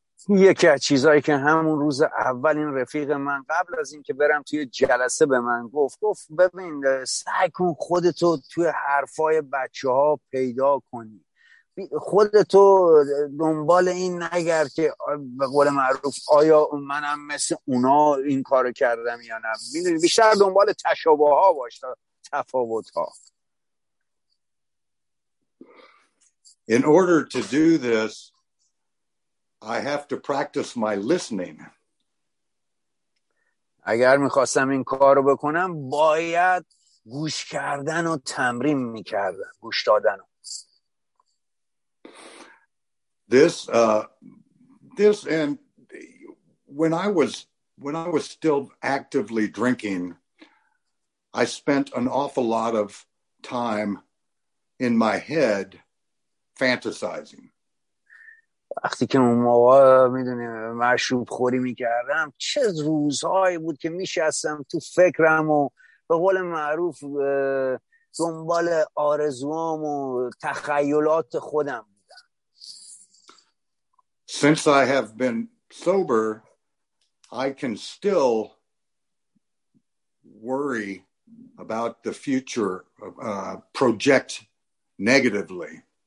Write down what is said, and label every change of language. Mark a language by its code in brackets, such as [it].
[fa] یکی از چیزایی که همون روز اول این رفیق من قبل از اینکه برم توی جلسه به من گفت ببین سعی کن خودتو توی حرفای بچه ها پیدا کنی، خودتو دنبال این نگر که به قول معروف آیا منم مثل اونا این کارو کردم یا نه، میدونی بیشتر دنبال تشابه ها باش تا تفاوت ها. [en] In order to do this I have to practice my listening. [fa] اگر میخواستم این کارو بکنم باید گوش کردن و تمرین میکردم، گوش دادن. [en] This and when I was still actively drinking, I spent an awful lot of time in my head fantasizing. [fa] وقتی که اون موقع میدونی مشروب خوری میکردم چه روزهایی بود که میشستم تو فکرم و به قول معروف دنبال آرزوام و تخیلات خودم. [en] Since I have been sober, I can still worry about the future, project negatively.